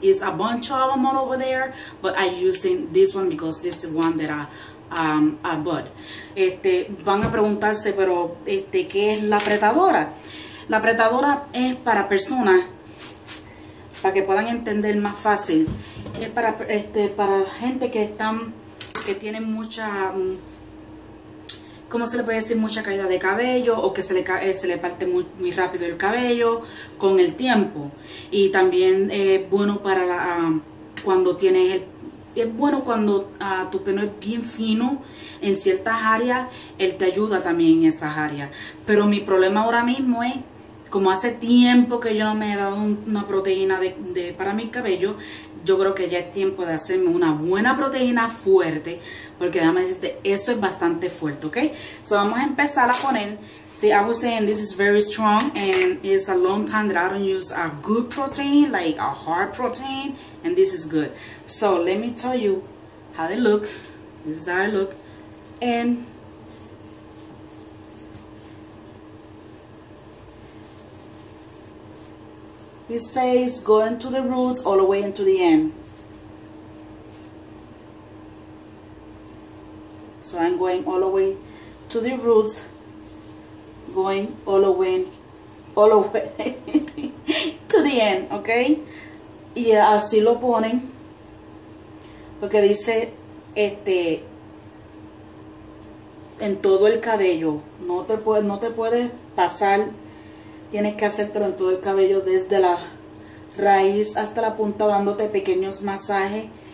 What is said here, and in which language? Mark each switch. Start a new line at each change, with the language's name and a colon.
English: It's a bunch of them all over there, but I'm using this one because this is the one that I bought.
Spanish: Van a preguntarse, pero ¿qué es la apretadora? La apretadora es para personas, para que puedan entender más fácil, es para para gente que están, que tienen mucha, ¿cómo se le puede decir? Mucha caída de cabello, o que se le parte muy, muy rápido el cabello con el tiempo. Y también es bueno para la, cuando tienes el, es bueno cuando tu pelo es bien fino en ciertas áreas, él te ayuda también en esas áreas. Pero mi problema ahora mismo es, como hace tiempo que yo no me he dado una proteína para mi cabello, yo creo que ya es tiempo de hacerme una buena proteína fuerte, porque déjame decirte, eso es bastante fuerte, ¿ok? So vamos a empezar a poner.
English: See, I was saying this is very strong, and it's a long time that I don't use a good protein, like a hard protein, and this is good. So let me tell you how they look. This is how I look. And this says going to the roots all the way into the end. So I'm going all the way to the roots, going all the way, to the end, okay?
Spanish: Y así lo ponen, porque dice, en todo el cabello, no te puedes pasar, tienes que hacértelo en todo el cabello, desde la raíz hasta la punta, dándote pequeños masajes.